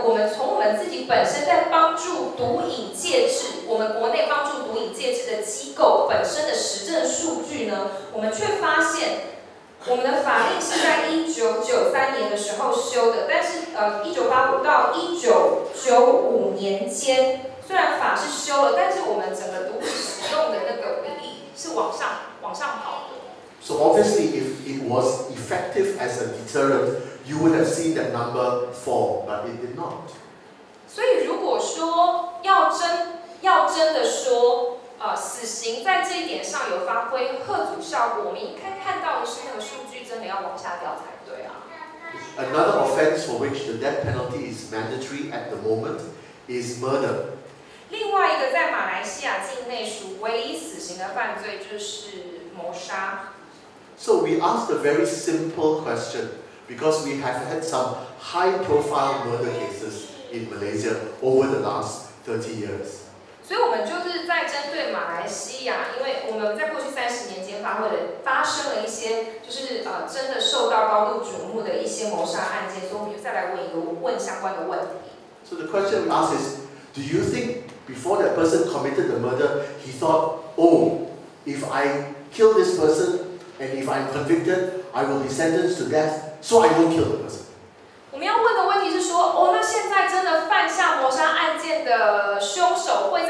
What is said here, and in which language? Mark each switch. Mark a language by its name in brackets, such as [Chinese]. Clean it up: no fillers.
[Chinese] 我们从我们自己本身在帮助毒瘾戒治，我们国内帮助毒瘾戒治的机构本身的实证数据呢，我们却发现。我们的法令是在1993年的时候修的，但是1985到1995年间，虽然法是修了，但是我们整个毒品使用的那个比例是往上跑的。 [English] So obviously, if it was effective as a deterrent, you would have seen that number fall, but it did not. [Chinese] 所以如果说要真的说。死刑在这一点上有发挥吓阻效果，我们应该看到的是那个数据真的要往下掉才对啊。 [English] Another offense for which the death penalty is mandatory at the moment is murder. [Chinese] 另外一个在马来西亚境内属唯一死刑的犯罪就是谋杀。 [English] So we asked a very simple question because we have had some high-profile murder cases in Malaysia over the last 30 years. [Chinese] 所以我们就是在针对马来西亚，因为我们在过去30年间发生了一些，就是真的受到高度瞩目的一些谋杀案件，所以我们就再来问相关的问题。 [English] So the question we ask is, do you think before that person committed the murder, he thought, oh, if I kill this person and if I'm convicted, I will be sentenced to death, so I won't kill the person. [Chinese] 我们要问的问题是说，哦，那现在真的犯下谋杀案件的凶手。